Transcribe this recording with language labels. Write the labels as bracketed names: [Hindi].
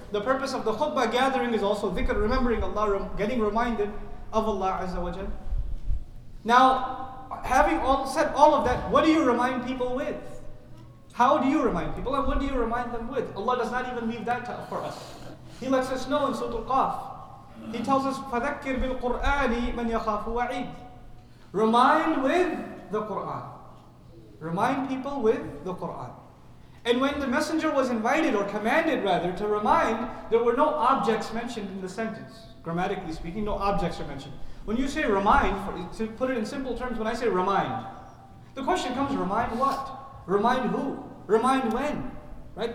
[English] The purpose of the khutbah gathering is also dhikr, remembering Allah, getting reminded of Allah Azza wa Jal. Now, having all said all of that, what do you remind people with? How do you remind people, and what do you remind them with? Allah does not even leave that for us. He lets us know in Surah Al-Qaf. He tells us, [Arabic] فَذَكِّرْ بِالْقُرْآنِ مَنْ يَخَافُ وَعِيدٍ. [English] Remind with the Qur'an. Remind people with the Qur'an. And when the messenger was invited, or commanded rather, to remind, there were no objects mentioned in the sentence. Grammatically speaking, no objects are mentioned. When you say remind, to put it in simple terms, when I say remind, the question comes, remind what? Remind who? Remind when? Right?